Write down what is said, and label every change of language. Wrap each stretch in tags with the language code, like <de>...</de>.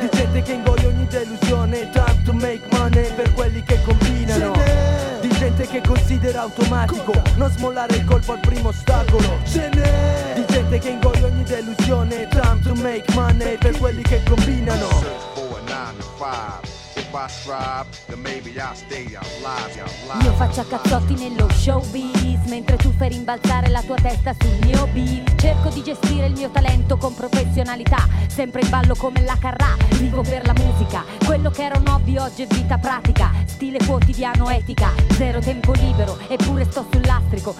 <it>Di gente che ingoia ogni delusione,</it> <en>time to make money</en> <it>per quelli che combinano, ce n'è. Di gente che considera automatico non smollare il colpo al primo ostacolo, ce n'è. Di gente che ingoia ogni delusione,</it> <en>time to make money</en> <it>per quelli che combinano.</it> <en>If I strive, then maybe I'll stay alive, alive.</en> <it>Io faccio a cazzotti nello showbiz, mentre tu fai rimbalzare la tua testa sul mio beat. Cerco di gestire il mio talento con professionalità, sempre in ballo come la Carrà. Vivo per la musica, quello che era un hobby oggi è vita pratica. Stile quotidiano, etica, zero tempo libero, eppure sto sul lastrico.</it>